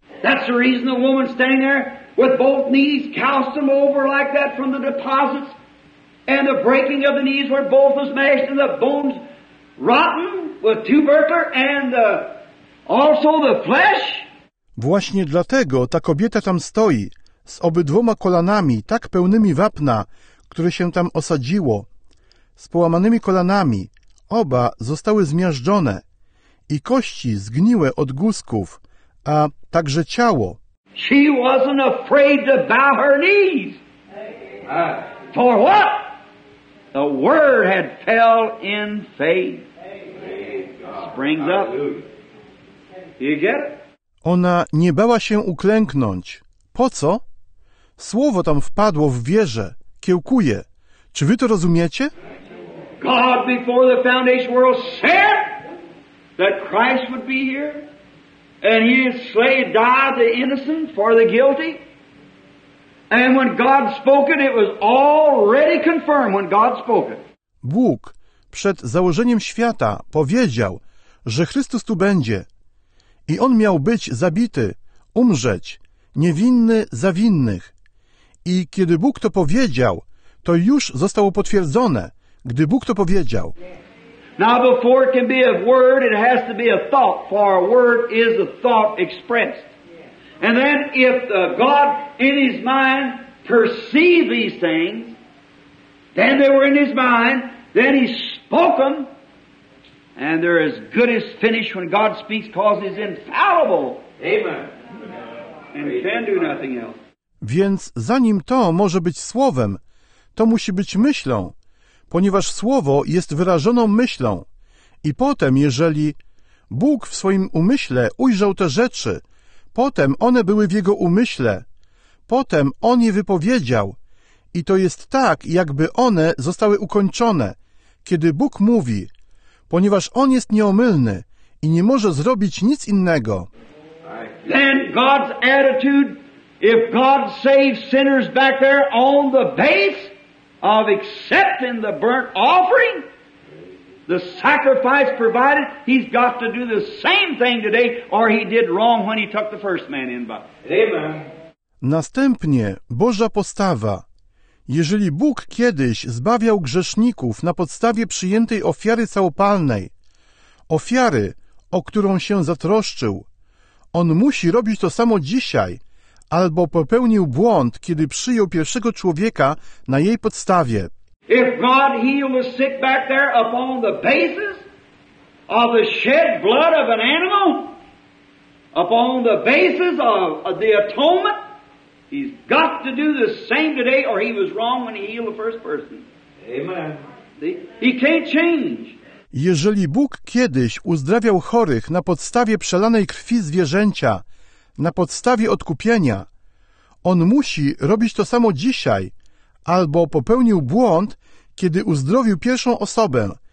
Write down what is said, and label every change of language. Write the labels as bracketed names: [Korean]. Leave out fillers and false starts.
[English] That's the reason the woman standing there with both knees calcined over like that from the deposits and the breaking of the knees where both was mashed and the bones rotten with tubercular and also the flesh. [Polish] Właśnie dlatego ta kobieta tam stoi z obydwoma kolanami tak pełnymi wapna, które się tam osadziło, z połamanymi kolanami, oba zostały zmiażdżone i kości zgniły od guzków, a także ciało. [English] She wasn't afraid to bow her knees. For what? The word had fell in faith. Springs up. You get it? [Polish] Ona nie bała się uklęknąć. Po co? Słowo tam wpadło w wierze, kiełkuje. Czy wy to rozumiecie? [English] God before the foundation world said that Christ would be here. And he slayed, died the innocent for the guilty. And when God spoke it, it was already confirmed when God spoke it. [Polish] Bóg przed założeniem świata powiedział, że Chrystus tu będzie. I on miał być zabity, umrzeć, niewinny za winnych. I kiedy Bóg to powiedział, to już zostało potwierdzone, gdy Bóg to powiedział. [English] Now before it can be a word, it has to be a thought, for a word is a thought expressed. And then if God in his mind perceived these things, then they were in his mind, then he spoke them, and they're as good as finished when God speaks, cause he's infallible. Amen. And he can do nothing else. [Polish] Więc zanim to może być słowem, to musi być myślą, ponieważ słowo jest wyrażoną myślą. I potem, jeżeli Bóg w swoim umyśle ujrzał te rzeczy, potem one były w jego umyśle, potem on je wypowiedział. I to jest tak, jakby one zostały ukończone, kiedy Bóg mówi, ponieważ on jest nieomylny i nie może zrobić nic innego. [English] Then God's attitude, if God saves sinners back there on the base of accepting the burnt offering, the sacrifice provided, he's got to do the same thing today, or he did wrong when he took the first man in by. Amen. [Polish] Następnie Boża postawa. Jeżeli Bóg kiedyś zbawiał grzeszników na podstawie przyjętej ofiary całopalnej, ofiary, o którą się zatroszczył, on musi robić to samo dzisiaj, albo popełnił błąd, kiedy przyjął pierwszego człowieka na jej podstawie. [English] If God healed the sick back there upon the basis of the shed blood of an animal, upon the basis of the atonement, he's got to do the same today, or he was wrong when he healed the first person. Amen. He can't change. [Polish] Jeżeli Bóg kiedyś uzdrawiał chorych na podstawie przelanej krwi zwierzęcia, na podstawie odkupienia, on musi robić to samo dzisiaj, albo popełnił błąd, kiedy uzdrowił pierwszą osobę.